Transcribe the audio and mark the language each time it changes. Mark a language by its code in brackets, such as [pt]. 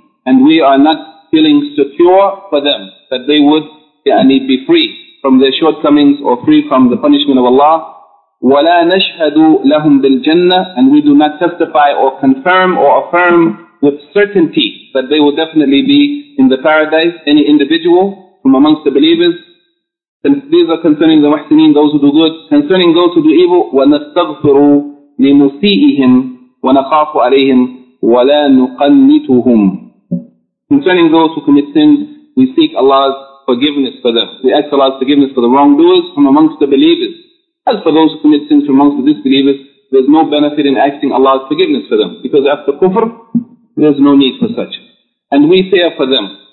[en] And we are not feeling secure for them, that they would be free from their shortcomings or free from the punishment of Allah. [ar] وَلَا نَشْهَدُ لَهُمْ بِالْجَنَّةِ. [en] And we do not testify or confirm or affirm with certainty that they will definitely be in the paradise, any individual from amongst the believers. And these are concerning the muhsinin, those who do good. Concerning those who do evil, [ar] وَنَسْتَغْفِرُ لِمُسِيئِهِمْ وَنَخَافُ عَلَيْهِمْ وَلَا نُقَنِّتُهُمْ. [en] Concerning those who commit sins, we seek Allah's forgiveness for them. We ask Allah's forgiveness for the wrongdoers from amongst the believers. As for those who commit sins from amongst the disbelievers, there's no benefit in asking Allah's forgiveness for them. Because after kufr, there's no need for such. And we fear for them.